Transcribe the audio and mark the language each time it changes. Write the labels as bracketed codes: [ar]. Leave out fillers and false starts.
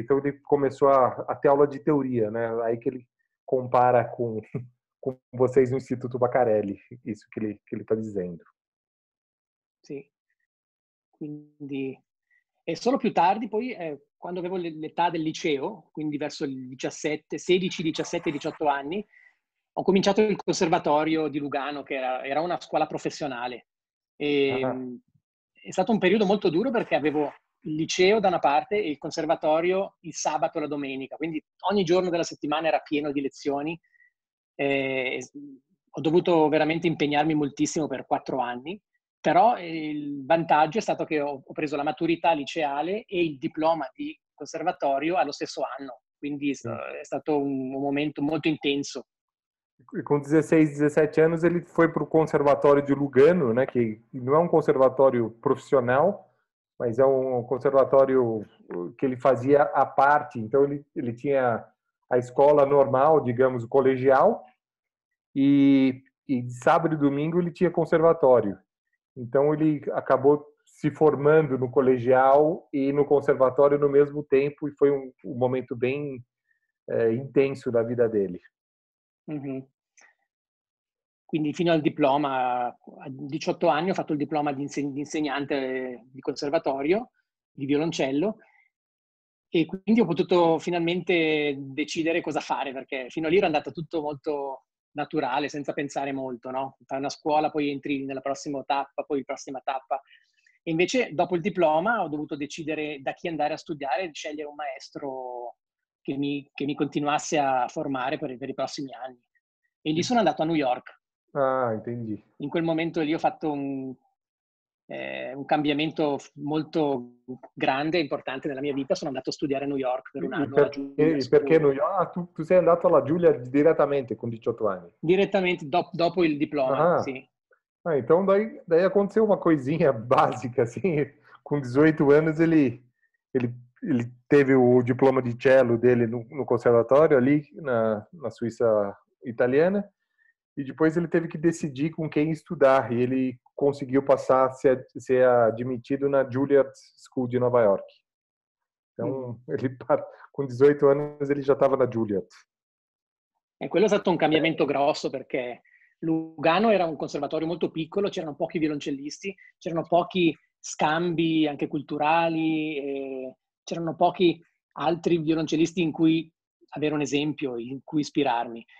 [pt] Então, ele começou a ter aula di teoria, né? Aí che ele compara com... [it] con voi in Istituto Bacarelli, questo che lui sta dicendo. Sì, quindi... E solo più tardi, poi, quando avevo l'età del liceo, quindi verso il 17, 16, 17, 18 anni, ho cominciato il conservatorio di Lugano, che era una scuola professionale. E, è stato un periodo molto duro perché avevo il liceo da una parte e il conservatorio il sabato e la domenica, quindi ogni giorno della settimana era pieno di lezioni. Ho dovuto veramente impegnarmi moltissimo per 4 anni Però il vantaggio è stato che ho preso la maturità liceale e il diploma di conservatorio allo stesso anno. Quindi è stato un momento molto intenso. [pt] E com 16, 17 anos, ele foi para o conservatório de Lugano, né? Que não é um conservatório profissional, mas é um conservatório que ele fazia à parte. Então, ele tinha a escola normal, digamos, o colegial, e de sábado e domingo ele tinha conservatório. Então, ele acabou se formando no colegial e no conservatório no mesmo tempo, e foi um momento bem intenso da vida dele. Uhum. [it] Quindi fino al diploma, a 18 anni ho fatto il diploma di insegnante di conservatorio, di violoncello, e quindi ho potuto finalmente decidere cosa fare, perché fino a lì era andato tutto molto naturale, senza pensare molto, no? Fai una scuola, poi entri nella prossima tappa, poi la prossima tappa. E invece dopo il diploma ho dovuto decidere da chi andare a studiare, di scegliere un maestro che mi continuasse a formare per i prossimi anni. E lì sono andato a New York. [pt] Ah, entendi. [it] In quel momento lì ho fatto un cambiamento molto grande e importante nella mia vita. Sono andato a studiare a New York per un anno. Perché New York? Tu sei andato alla Giulia direttamente con 18 anni? Direttamente, dopo il diploma, sì. [pt] Ah, então daí aconteceu uma coisinha básica, assim, com 18 anos ele teve o diploma de cello dele no conservatório ali na Suíça italiana, e depois ele teve que decidir com quem estudar, e ele conseguiu passar, ser admitido na Juilliard School de Nova York. Então, ele, com 18 anos, ele já estava na Juilliard. [it] E quello è stato un cambiamento grosso, perché Lugano era un conservatorio molto piccolo, c'erano pochi violoncellisti, c'erano pochi scambi anche culturali, e c'erano pochi altri violoncellisti in cui avere un esempio, in cui ispirarmi.